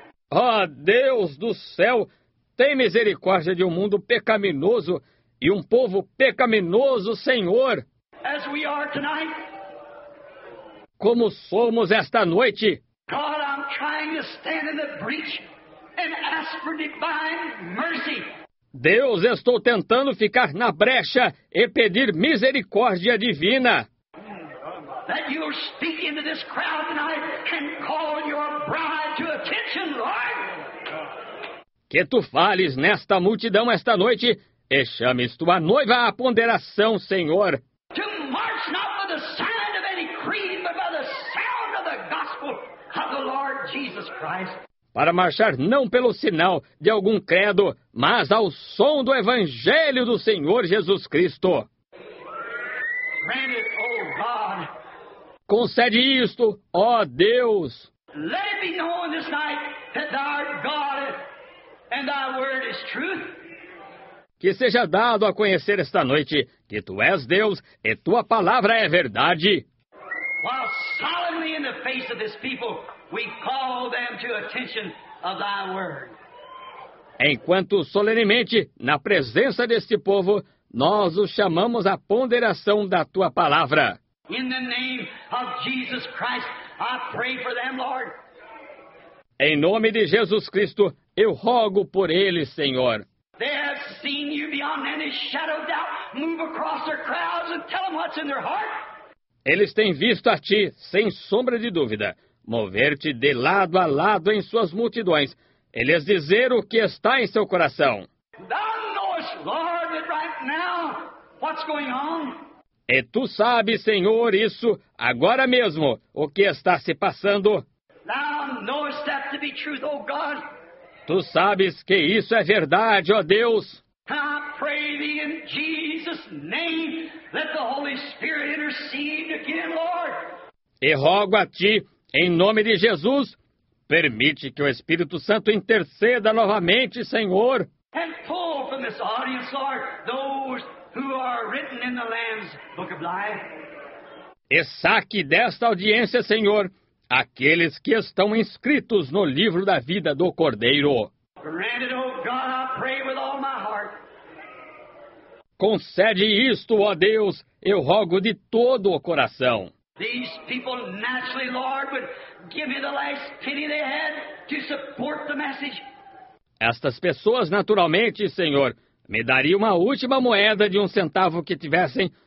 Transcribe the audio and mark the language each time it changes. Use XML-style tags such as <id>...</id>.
<pt>Ó Deus do céu, tem misericórdia de um mundo pecaminoso e um povo pecaminoso, Senhor.</pt> <en>As we are tonight.</en> <pt>Como somos esta noite.</pt> <en>God, I'm trying to stand in the breach and ask for divine mercy.</en> <pt>Deus, estou tentando ficar na brecha e pedir misericórdia divina.</pt> <en>That you speak into this crowd tonight and call your bride to attention, Lord.</en> <pt>Que tu fales nesta multidão esta noite e chames tua noiva à ponderação, Senhor.</pt> <en>To march not by the sound of any creed, but by the sound of the gospel of the Lord Jesus Christ.</en> <pt>Para marchar não pelo sinal de algum credo, mas ao som do evangelho do Senhor Jesus Cristo.</pt> <en>Grant it, O God.</en> <pt>Concede isto, ó Deus.</pt> <en>Let it be known this night that thou art God and thy word is truth.</en> <pt>Que seja dado a conhecer esta noite que tu és Deus e tua palavra é verdade.</pt> <en>While solemnly in the face of this people, we call them to attention of thy word.</en> <pt>Enquanto solenemente, na presença deste povo, nós os chamamos à ponderação da tua palavra.</pt> <en>In the name of Jesus Christ, I pray for them, Lord.</en> <pt>Em nome de Jesus Cristo, eu rogo por eles, Senhor.</pt> <en>They have seen you beyond any shadow of doubt move across their crowds and tell them what's in their heart.</en> <pt>Eles têm visto a ti, sem sombra de dúvida, mover-te de lado a lado em suas multidões, e lhes dizer o que está em seu coração.</pt> <en>Thou knowest, Lord, that right now what's going on.</en> <pt>E tu sabes, Senhor, isso agora mesmo, o que está se passando.</pt> <en>Thou knowest that to be truth, oh God.</en> <pt>Tu sabes que isso é verdade, ó Deus.</pt> <en>I pray thee in Jesus' name, let the Holy Spirit intercede again, Lord.</en> <pt>E rogo a ti, em nome de Jesus, permite que o Espírito Santo interceda novamente, Senhor.</pt> <en>And pull from this audience, Lord, those who are written in the Lamb's Book of Life.</en> <pt>E saque desta audiência, Senhor, aqueles que estão inscritos no livro da vida do Cordeiro.</pt> <en>Grant it, oh God, I pray with all my heart.</en> <pt>Concede isto, ó Deus, eu rogo de todo o coração.</pt> <en>These people naturally, Lord, would give me the last penny they had to support the message.</en> <pt>Estas pessoas, naturalmente, Senhor, me daria uma última moeda de um centavo que tivessem</pt>